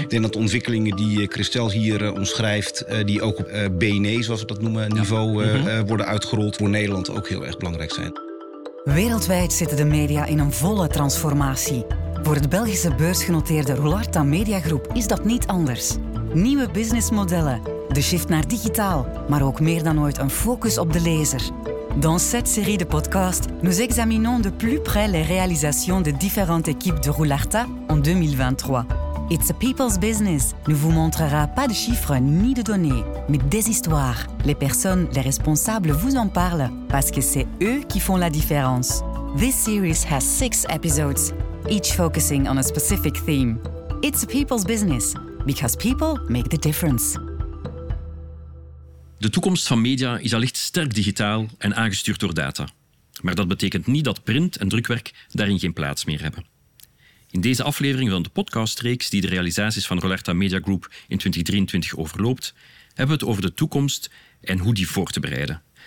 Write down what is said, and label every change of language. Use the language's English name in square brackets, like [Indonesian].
[Dutch] Ik denk dat de ontwikkelingen die Christel hier omschrijft, die ook op BNE, zoals we dat noemen, niveau worden uitgerold, voor Nederland ook heel erg belangrijk zijn. Wereldwijd zitten de media in een volle transformatie. Voor het Belgische beursgenoteerde Roularta Media Groep is dat niet anders. Nieuwe businessmodellen, de shift naar digitaal, maar ook meer dan ooit een focus op de lezer. [French] Dans cette série de podcast, nous examinons de plus près les réalisations des différentes équipes de Roularta en 2023. [English] It's a people's business [French] ne vous montrera pas de chiffres ni de données, mais des histoires. Les personnes, les responsables vous en parlent, parce que c'est eux qui font la différence. [English] This series has 6 episodes, each focusing on a specific theme. It's a people's business, because people make the difference. [Dutch] De toekomst van media is allicht sterk digitaal en aangestuurd door data. Maar dat betekent niet dat print en drukwerk daarin geen plaats meer hebben. In deze aflevering van de podcastreeks die de realisaties van Roularta Media Group in 2023 overloopt, hebben we het over de toekomst en hoe die voor te bereiden.